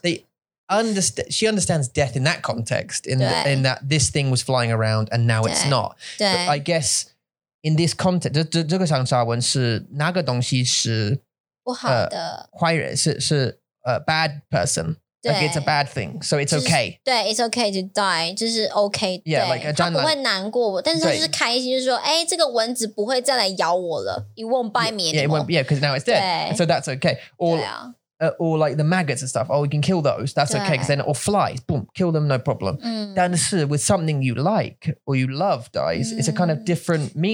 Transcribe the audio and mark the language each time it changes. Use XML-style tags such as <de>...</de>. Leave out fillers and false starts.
<en>They she understands death in that context, in that this thing was flying around and now</en> <zh>对,</zh> <en>it's not.</en> <zh>对.</zh> <en>But I guess in this context,</en> <zh>这个上下文是那个东西是不好的。坏人是</zh> <en>a bad person. Like it's a bad thing, so it's okay. 对, it's okay to die, 就是 okay. Yeah, like a 蟑螂。</en> <zh>他不会难过，但是他就是开心，就是说，哎，这个蚊子不会再来咬我了。</zh> <en>It won't bite me anymore. Yeah, because now it's dead.</en> <zh>对。</zh> <en>So that's okay. Or like the maggots and stuff. Oh, we can kill those. That's okay. Because then, or flies, boom, kill them, no problem. 但是 with something you like or you love dies, it's a kind of different meaning.</en>